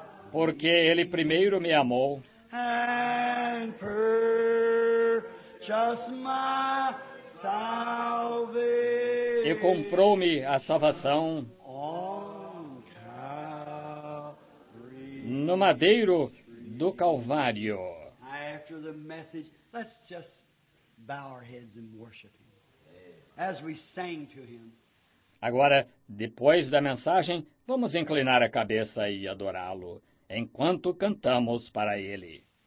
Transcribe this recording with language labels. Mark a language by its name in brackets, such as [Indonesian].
[Portuguese] Porque Ele primeiro me amou. [English] And purchased my salvation. [Portuguese] E comprou-me a salvação [English] on Calvary, [Portuguese] no madeiro do Calvário. [English] After the message, let's just bow our heads and worship Him as we sang to Him. [Portuguese] Agora, depois da mensagem, vamos inclinar a cabeça e adorá-lo enquanto cantamos para Ele.